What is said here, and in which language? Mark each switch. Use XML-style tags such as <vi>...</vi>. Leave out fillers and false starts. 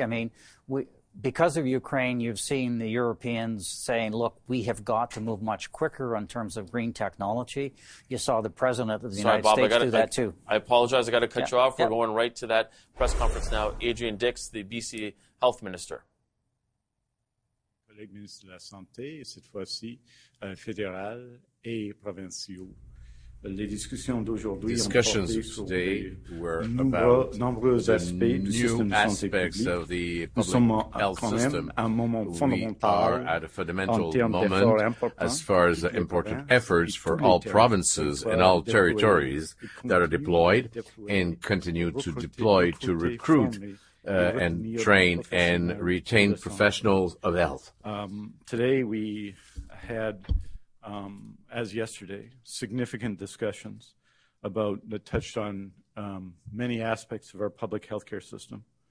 <en>I mean, because of Ukraine, you've seen the Europeans saying, look, we have got to move much quicker in terms of green technology. You saw the president of the United States do that too. I apologize. I got to cut you off. We're going right to that press conference now. Adrian Dix, the BC health minister.</en> <fr>Les ministres de la Santé, cette fois-ci fédéral et provinciaux. Les discussions d'aujourd'hui discussions ont porté sur de nombreux aspects du système de santé publique. Nous sommes quand même à un moment fondamental en termes d'efforts importants</fr> <en>as far as the important efforts for all provinces and all territories that are deployed and continue to deploy to recruit and train and retain professionals of health. Today we had, as yesterday, significant discussions that touched on many aspects of our public healthcare system.</en>